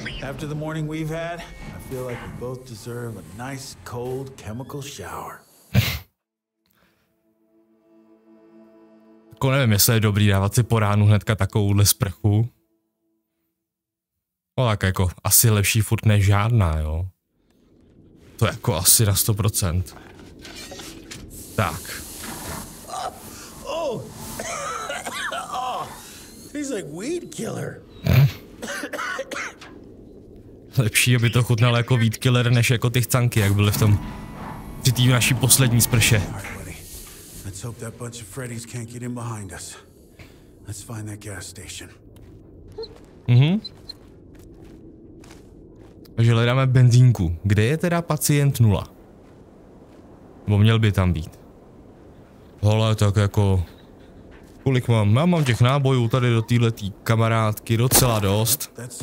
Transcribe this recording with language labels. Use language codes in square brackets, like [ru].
[en] After the morning we've had, I feel like we both deserve a nice cold chemical shower. [cs] Jako nevím, jestli je dobrý dávat si po ránu hnedka takovouhle sprchu. No tak jako, asi lepší furt než žádná, jo. To je jako asi na 100%. Tak. [en] He's like weed killer. [cs] Lepší, aby to chutnalo jako weed killer, než jako ty chcanky, jak byly v tom při tý naší poslední sprše. [en] Hope that bunch of Freddy's can't get in behind us. Let's find that gas station. [cs] Takže hledáme benzínku. Kde je teda pacient nula? Bo měl by tam být. Hele, tak jako... Kolik mám? Já mám těch nábojů tady do týhletý kamarádky docela dost.